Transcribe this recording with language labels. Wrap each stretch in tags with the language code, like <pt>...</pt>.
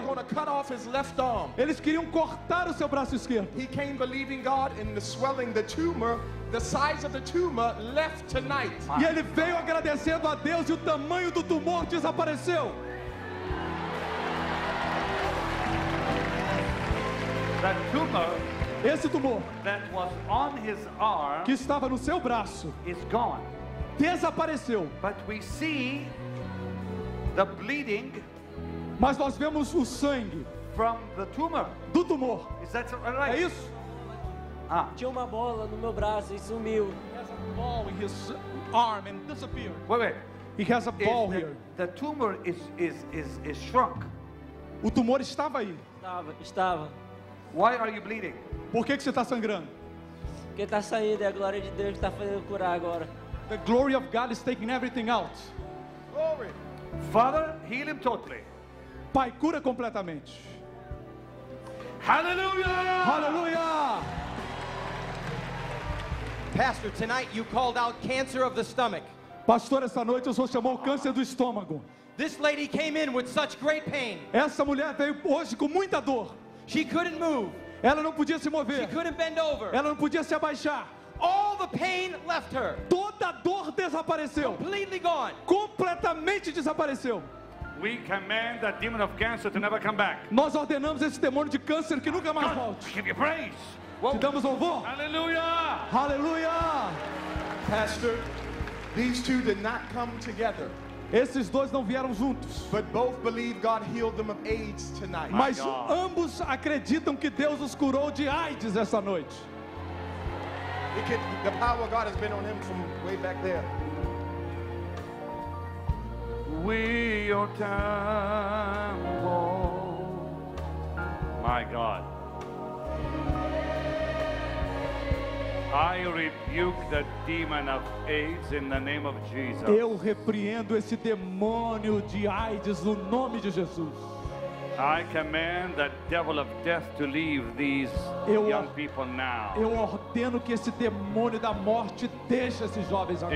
<en>They were going to cut off his left arm.</en> <pt>Eles queriam cortar o seu braço esquerdo.</pt> <en>He came believing God in the swelling, the tumor. The size of the tumor left tonight.</en> <pt>E ele veio agradecendo a Deus e o tamanho do tumor desapareceu.</pt> <en>That tumor,</en> <pt>esse tumor</pt> <en>that was on his arm,</en> <pt>que estava no seu braço,</pt> <en>is gone.</en> <pt>Desapareceu.</pt> <en>But we see the bleeding.</en> <pt>Mas nós vemos o sangue</pt> <en>from the tumor.</en> <pt>Do tumor.</pt> <en>Is that right?</en> <pt>É isso? Ah. Tinha uma bola no meu braço e sumiu.</pt> <en>He has a ball in his arm and disappeared. Wait. He has a ball here. The tumor is shrunk.</en> <pt>O tumor estava aí. Estava.</pt> <en>Why are you bleeding?</en> <pt>Por que você está sangrando? Porque está saindo, é a glória de Deus que está fazendo curar agora.</pt> <en>The glory of God is taking everything out. Glory. Father, heal him totally.</en> <pt>Pai, cura completamente.</pt> <en>Hallelujah! Hallelujah! Pastor, tonight you called out cancer of the stomach.</en> <pt>Pastor, essa noite o senhor chamou câncer do estômago.</pt> <en>This lady came in with such great pain.</en> <pt>Essa mulher veio hoje com muita dor.</pt> <en>She couldn't move.</en> <pt>Ela não podia se mover.</pt> <en>She couldn't bend over.</en> <pt>Ela não podia se abaixar.</pt> <en>All the pain left her.</en> <pt>Toda a dor desapareceu.</pt> <en>Completely gone.</en> <pt>Completamente desapareceu.</pt> <en>We command that demon of cancer to never come back.</en> <pt>Nós ordenamos esse demônio de câncer que nunca mais volte.</pt> <en>Give you praise.</en> <pt>Te damos louvor.</pt> <en>Hallelujah. Hallelujah. Pastor, these two did not come together.</en> <pt>Esses dois não vieram juntos.</pt> <en>But both believe God healed them of AIDS tonight.</en> <pt>Mas ambos acreditam que Deus os curou de AIDS essa noite.</pt> <en>The power of God has been on them from way back there. We your temple. My God. I rebuke the demon of AIDS in the name of Jesus.</en> <pt>Eu repreendo esse demônio de AIDS no nome de Jesus.</pt> <en>I command the devil of death to leave these young people now.</en> <pt>Eu ordeno que esse demônio da morte deixe esses jovens agora.</pt>